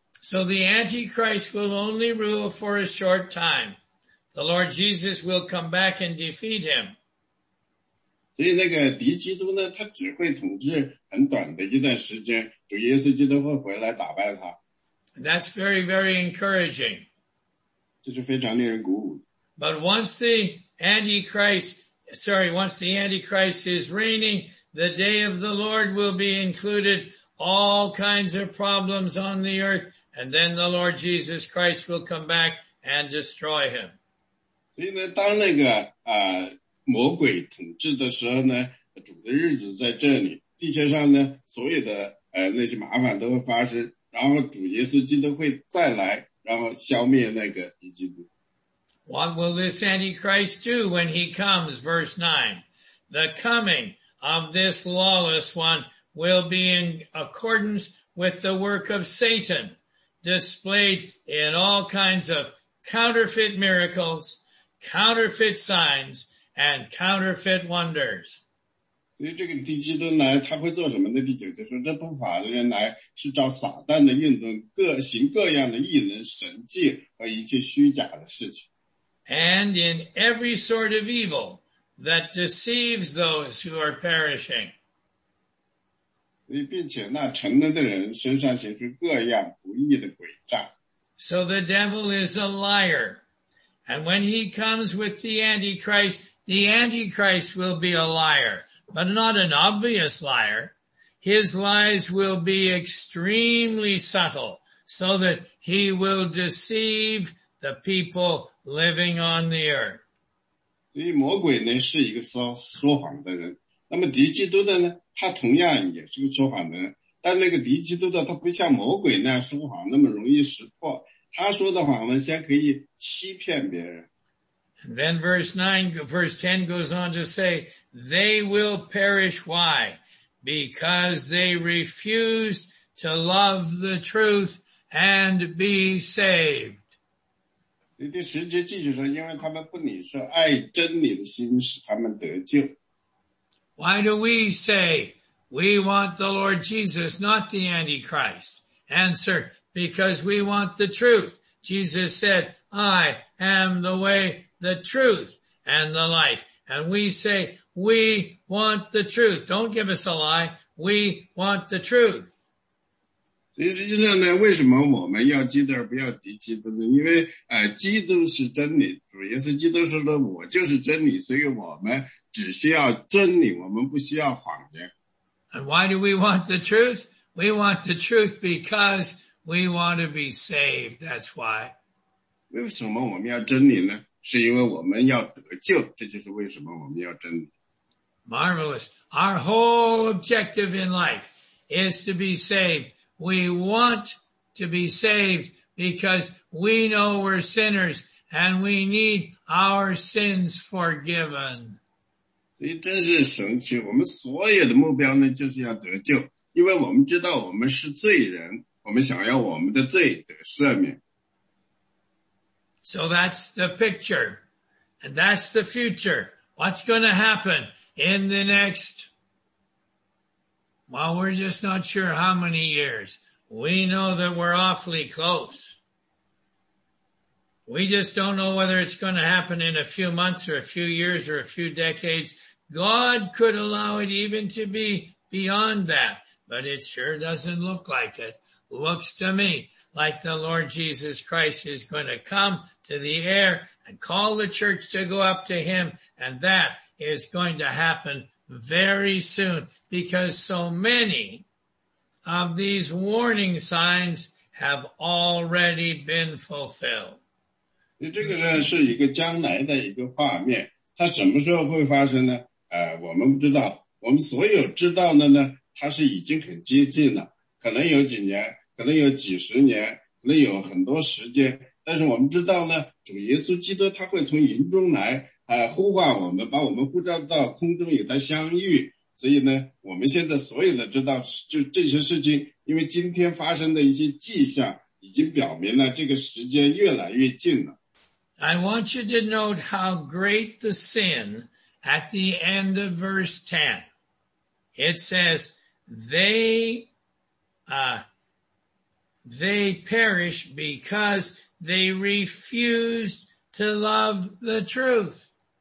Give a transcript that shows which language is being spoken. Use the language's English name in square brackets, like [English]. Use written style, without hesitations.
[English] So the Antichrist will only rule for a short time. The Lord Jesus will come back and defeat him. [Chinese] 所以那个敌基督呢，他只会统治很短的一段时间，主耶稣基督会回来打败他。 [English] That's very, very encouraging. [Chinese] 这是非常令人鼓舞。 [English] But once the Antichrist once the Antichrist is reigning, the day of the Lord will be included, all kinds of problems on the earth, and then the Lord Jesus Christ will come back and destroy him. [Chinese] 所以呢当那个魔鬼统治的时候呢主的日子在这里地球上呢所有的那些麻烦都会发生然后主耶稣基督会再来然后消灭那个敌基督。 [English] What will this Antichrist do when he comes? Verse 9. The coming of this lawless one will be in accordance with the work of Satan, displayed in all kinds of counterfeit miracles, counterfeit signs, and counterfeit wonders. [Chinese] 所以这个敌基督来他会做什么呢第九节说这不法的人来是照撒旦的运动各行各样的异能神迹和一切虚假的事情。 [English] And in every sort of evil that deceives those who are perishing. [Chinese] 并且那成了的人身上显出各样不义的诡诈。 [English] So the devil is a liar. And when he comes with the Antichrist will be a liar, but not an obvious liar. His lies will be extremely subtle so that he will deceive the people living on the earth. [Chinese] 所以魔鬼呢是一个说谎的人，那么敌基督的呢，他同样也是个说谎的人，但那个敌基督的他不像魔鬼那样说谎那么容易识破，他说的谎呢先可以欺骗别人。 [English] And then verse 10 goes on to say, they will perish. Why? Because they refused to love the truth and be saved. [Chinese] 第十节继续说，因为他们不领受爱真理的心使他们得救。 [English] Why do we say we want the Lord Jesus, not the Antichrist? Answer, because we want the truth. Jesus said, I am the way, the truth and the life. And we say, we want the truth. Don't give us a lie. We want the truth. [Chinese] 所以实际上呢，为什么我们要基督而不要敌基督呢？因为基督是真理。主耶稣基督说的，我就是真理，所以我们只需要真理，我们不需要谎言。 [English] And why do we want the truth? We want the truth because we want to be saved. That's why. [Chinese] 为什么我们要真理呢？是因为我们要得救，这就是为什么我们要真理。 [English] Marvelous. Our whole objective in life is to be saved. We want to be saved because we know we're sinners and we need our sins forgiven. [Chinese] 所以真是神奇，我们所有的目标呢，就是要得救，因为我们知道我们是罪人，我们想要我们的罪得赦免。 [English] So that's the picture, and that's the future. What's going to happen in the next, well, we're just not sure how many years. We know that we're awfully close. We just don't know whether it's going to happen in a few months or a few years or a few decades. God could allow it even to be beyond that, but it sure doesn't look like it. Looks to me like the Lord Jesus Christ is going to come to the air and call the church to go up to him. And that is going to happen very soon because so many of these warning signs have already been fulfilled. [Chinese] 这个呢是一个将来的一个画面，它什么时候会发生呢？我们不知道，我们所有知道的呢，它是已经很接近了，可能有几年，可能有几十年，可能有很多时间，但是我们知道呢，主耶稣基督他会从云中来，呼唤我们，把我们呼召到空中与他相遇。所以呢，我们现在所有的知道，就这些事情，因为今天发生的一些迹象，已经表明了这个时间越来越近了。 [English] I want you to note how great the sin at the end of verse 10. It says, they perish because they refused to love the truth.